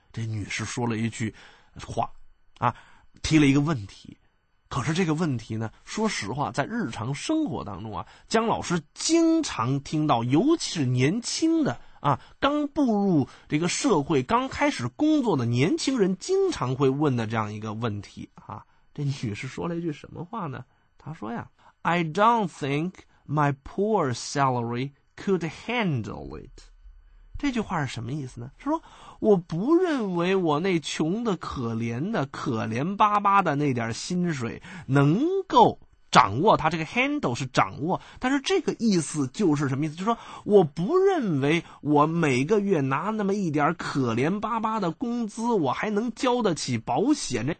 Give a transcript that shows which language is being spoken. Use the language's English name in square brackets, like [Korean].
[Chinese] 这女士说了一句话啊，提了一个问题，可是这个问题呢，说实话在日常生活当中啊，姜老师经常听到，尤其是年轻的啊，刚步入这个社会刚开始工作的年轻人经常会问的这样一个问题啊。这女士说了一句什么话呢？她说呀， [English] I don't think my poor salary could handle it。 [Chinese] 这句话是什么意思呢？是说我不认为我那穷的可怜的可怜巴巴的那点薪水能够掌握，它这个 handle 是掌握，但是这个意思就是什么意思？就是说我不认为我每个月拿那么一点可怜巴巴的工资我还能交得起保险。